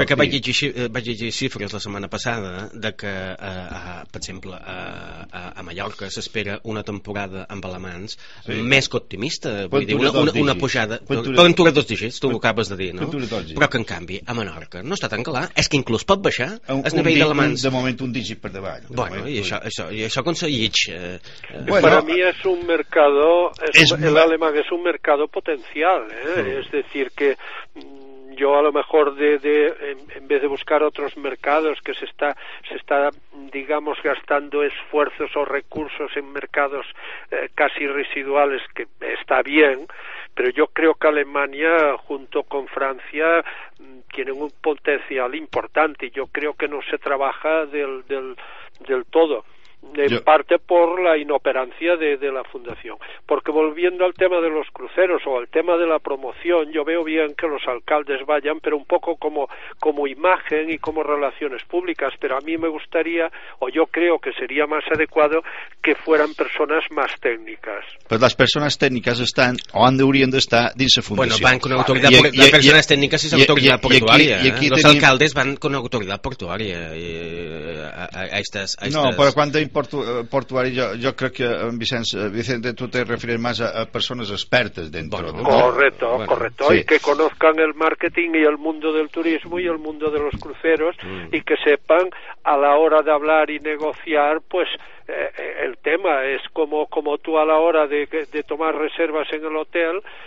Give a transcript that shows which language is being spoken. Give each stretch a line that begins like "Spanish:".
Catalan: perquè vaig llegir xifres la setmana passada de que per exemple a Mallorca s'espera una temporada amb alemans, sí, més que optimista, vull dir, una pujada per dos dígits, tu ho acabes de dir, no? Però que en canvi a Menorca no està tan clar, és que inclús pot baixar el nivell d'alemans de moment un dígit per davall, bueno, moment, i això aconseguix
Spanish: bueno,
Catalan: per a mi és
Spanish: un mercado l'alemán és un mercado potencial,
Catalan: és dir que
Spanish: yo a lo mejor en vez de buscar otros mercados que se está digamos gastando esfuerzos o recursos en mercados casi residuales, que está bien, pero yo creo que Alemania junto con Francia tienen un potencial importante. Yo creo que no se trabaja del todo, en parte por la inoperancia de la fundación, porque volviendo al tema de los cruceros o al tema de la promoción, yo veo bien que los alcaldes vayan, pero un poco como imagen y como relaciones públicas, pero a mí me gustaría, o yo creo que sería más adecuado, que fueran personas más técnicas. Pues las personas técnicas están o han de oriendo estar
Catalan: dins
Spanish: la fundación. Bueno, van con autoridad, las personas técnicas es autoridad portuaria, alcaldes van con autoridad portuaria a estas... No, pero cuando
Catalan: portuari, jo crec que en Vicente, tu te refereix més a persones expertes dentro, bueno, no?
Spanish: Correcto, bueno, correcto, sí. Y que conozcan el marketing y el mundo del turismo y el mundo de los cruceros, y que sepan a la hora de hablar y negociar, pues el tema es como tú a la hora de tomar reservas en el hotel